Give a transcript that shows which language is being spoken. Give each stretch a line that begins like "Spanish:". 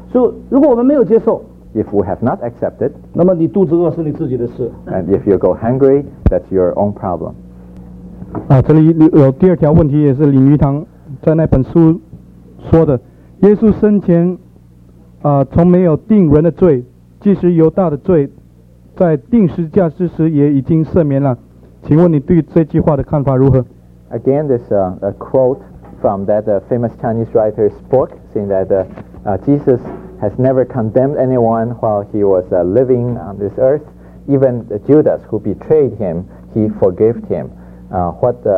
Chinese: 所以如果我们没有接受，
English: If we have not accepted,
Chinese: 那么你肚子饿是你自己的事。
English: And if you go hungry, that's your own problem.
Chinese: 啊，这里有第二条问题，也是林语堂在那本书说的。耶稣生前从没有定人的罪，即使犹大的罪，在定十字架之时也已经赦免了。请问你对这句话的看法如何
English: ？Again, this a quote from that famous Chinese writer's book, saying that Jesus. Has never condemned anyone while he was living on this earth. Even Judas, who betrayed him, he forgave him. What